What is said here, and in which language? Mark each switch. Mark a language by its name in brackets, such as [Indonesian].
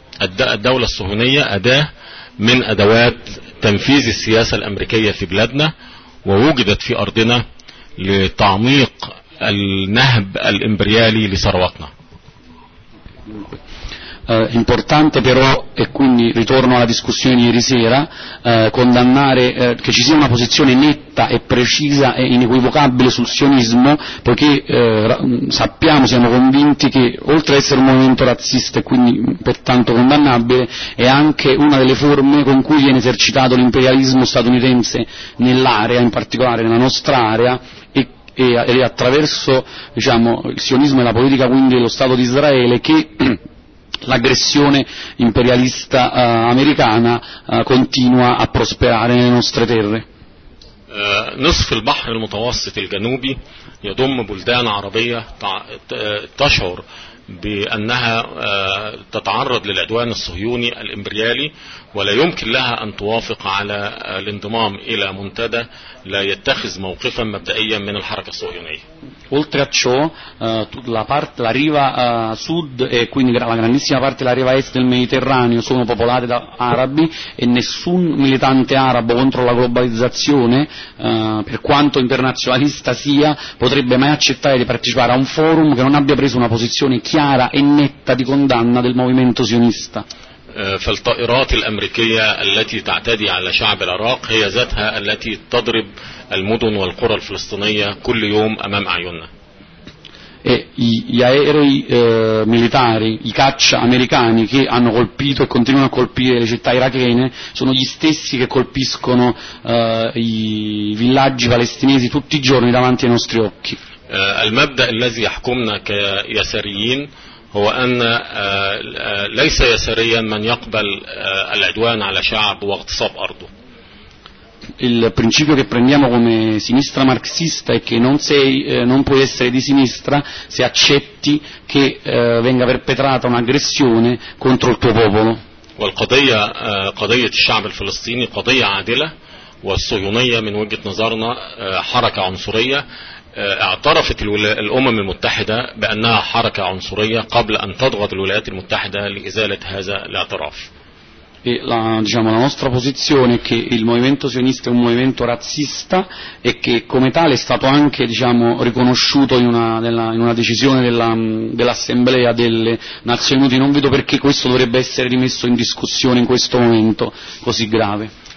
[Arabic] الدولة الصهيونية أداة من أدوات تنفيذ السياسة الأمريكية في بلادنا، ووجدت في أرضنا لتعميق النهب الإمبريالي لثروتنا. [Italian] Importante però, e quindi ritorno alla discussione di ieri sera, condannare che ci sia una posizione netta e precisa e inequivocabile sul sionismo, poiché sappiamo, siamo convinti che oltre ad essere un movimento razzista e quindi pertanto condannabile, è anche una delle forme con cui viene esercitato l'imperialismo statunitense nell'area, in particolare nella nostra area, e attraverso, diciamo, il sionismo e la politica quindi dello Stato di Israele che l'aggressione imperialista americana continua a prosperare nelle nostre terre. [Arabic] نصف البحر المتوسط الجنوبي يضم بلدان عربية تشعر بأنها تتعرض للعدوان الصهيوني الإمبريالي، ولا يمكن لها أن توافق على الانضمام إلى منتدى لا يتخذ موقفا مبدئيا من الحركة الصهيونية. [Italian] Oltre a ciò, la riva sud e quindi la grandissima parte della riva est del Mediterraneo sono popolate da arabi, e nessun militante arabo contro la globalizzazione, per quanto internazionalista sia, potrebbe mai accettare di partecipare a un forum che non abbia preso una posizione chiara e netta di condanna del movimento sionista. [Arabic] فالطائرات الأمريكية التي تعتدي على شعب العراق هي ذاتها التي تضرب المدن والقرى الفلسطينية كل يوم أمام أعيننا. [Italian] Gli aerei militari, i caccia americani che hanno colpito e continuano a colpire le città irachene sono gli stessi che colpiscono i villaggi palestinesi tutti i giorni davanti ai nostri occhi. [Arabic] المبدأ الذي يحكمنا كيساريين هو أن ليس يساريا من يقبل العدوان على شعب واغتصاب أرضه. [Italian] Il principio che prendiamo come sinistra marxista è che non puoi essere di sinistra se accetti che venga perpetrata un'aggressione contro il tuo popolo. [Arabic] والقضية قضية الشعب الفلسطيني قضية عادلة والصهيونية من وجهة نظرنا حركة عنصرية اعترفت الأمم المتحدة بأنها حركة عنصرية قبل أن تضغط الولايات المتحدة لإزالة هذا الاعتراف. [Italian] La nostra posizione è che il movimento sionista è un movimento razzista e che come tale è stato anche riconosciuto in una decisione dell'Assemblea delle Nazioni Unite. Non vedo perché questo dovrebbe essere rimesso in discussione in questo momento così grave.